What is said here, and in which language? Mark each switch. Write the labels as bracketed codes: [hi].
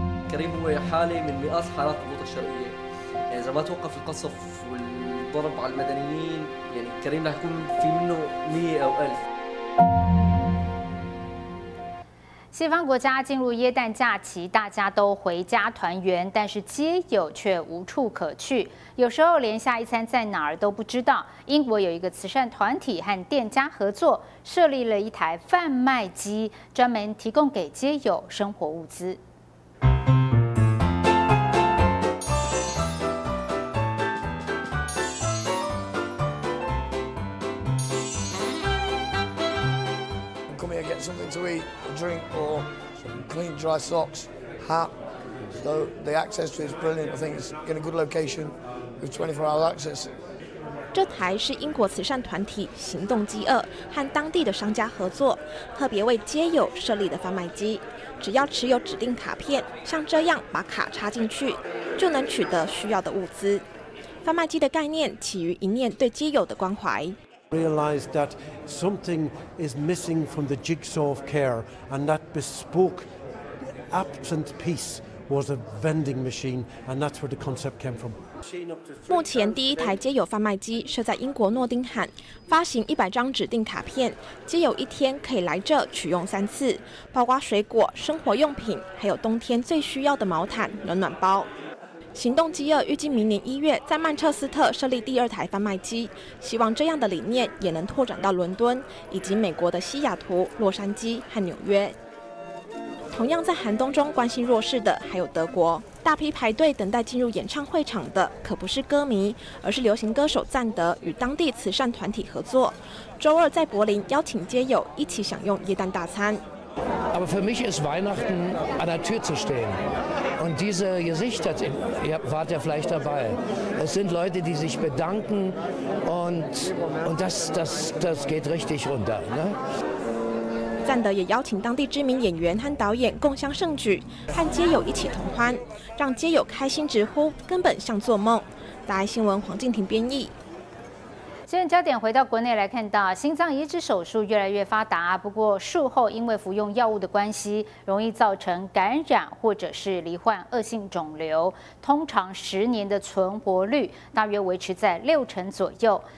[ar] Karim هو حالة من مئات حالات الغوطة الشرقية. إذا ما توقف القصف والضرب على المدنيين، يعني كريم راح يكون في منه 100 أو 1000. [zh] 西方国家进入耶诞假期，大家都回家团圆，但是街友却无处可去，有时候连下一餐在哪儿都不知道。英国有一个慈善团体和店家合作，设立了一台贩卖机，专门提供给街友生活物资。 [en] Something to eat, a drink, or some clean, dry socks, hat. So the access to it is brilliant. I think it's in a good location with 24-hour access. [zh] 这台是英国慈善团体“行动饥饿”和当地的商家合作，特别为街友设立的贩卖机。只要持有指定卡片，像这样把卡插进去，就能取得需要的物资。贩卖机的概念起于一念对街友的关怀。 [en] Realized that something is missing from the jigsaw of care, and that bespoke, absent piece was a vending machine, and that's where the concept came from. [zh] 目前第一台街友贩卖机设在英国诺丁汉，发行100张指定卡片，街友一天可以来这取用3次，包括水果、生活用品，还有冬天最需要的毛毯、暖暖包。行动饥饿预计明年1月在曼彻斯特设立第二台贩卖机，希望这样的理念也能拓展到伦敦以及美国的西雅图、洛杉矶和纽约。同样在寒冬中关心弱势的还有德国，大批排队等待进入演唱会场的可不是歌迷，而是流行歌手赞德与当地慈善团体合作，周二在柏林邀请街友一起享用耶诞大餐。 [de] Aber für mich ist Weihnachten an der Tür zu stehen. Und diese Gesichter, ihr wart ja vielleicht dabei, es sind Leute, die sich bedanken und das geht richtig runter. [zh] 赞德也邀请当地知名演员和导演共襄盛举，和街友一起同欢，让街友开心直呼根本像做梦。大爱新闻黄静婷编译。现在焦点回到国内来看到，心脏移植手术越来越发达，不过术后因为服用药物的关系，容易造成感染或者是罹患恶性肿瘤，通常10年的存活率大约维持在60%左右。